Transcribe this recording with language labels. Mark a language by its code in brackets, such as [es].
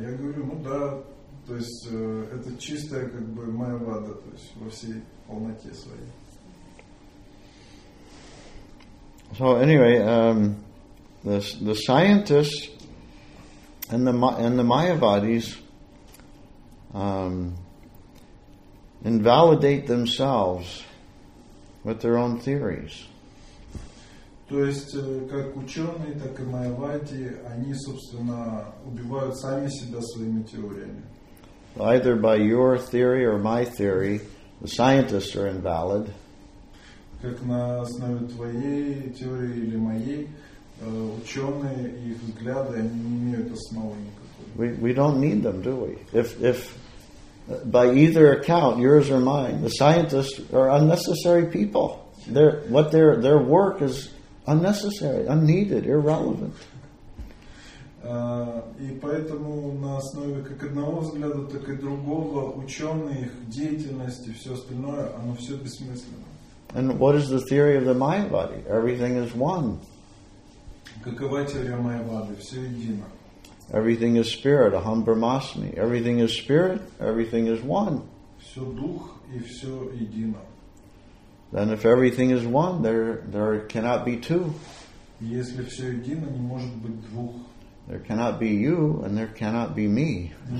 [ru] Я говорю, ну да. То есть это чистая как бы моя вада, то есть во всей полноте своей. [en] So anyway, the scientists and the Mayavadis invalidate themselves with their own theories. [ru] То есть как ученые, так и Майявади, они собственно убивают сами себя своими теориями. [en] Either by your theory or my theory, the scientists are invalid. [ru] Как на основе твоей теории или моей, ученые и их взгляды они не имеют основы никакой. [en] We don't need them, do we? If by either account, yours or mine, the scientists are unnecessary people. Their work is unnecessary, unneeded, irrelevant. [ru] И поэтому на основе как одного взгляда, так и другого, ученые, их деятельность и все остальное, оно все бессмысленно. [en] And what is the theory of the Mayavadi? Everything is one. [ru] Какова теория Mayavadi? Все едино. [en] Everything is spirit, [sa] aham brahmasmi. [en] Everything is spirit, everything is one. [ru] Все дух и все едино. [en] Then if everything is one, there cannot be two. [ru] Если все едино, не может быть двух. [en] There cannot be you and there cannot be me.